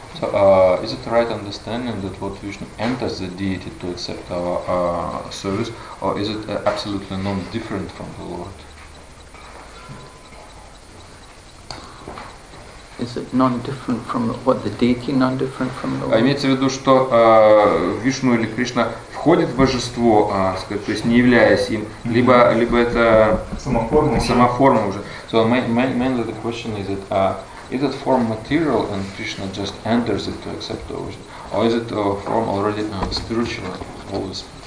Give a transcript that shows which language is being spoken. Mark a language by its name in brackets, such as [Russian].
[English] So is it the right understanding that Lord Vishnu enters the deity to accept our service, or is it absolutely not different from the Lord? Is it non-different from what the deity non-different from the Lord? [Russian] Имеется в виду, что Вишну или Кришна входит в божество, то есть не являясь им, либо это сама форма уже. [English] So mainly the question is that is that form material and Krishna just enters it to accept the Vishnu, or is it a form already spiritual, always?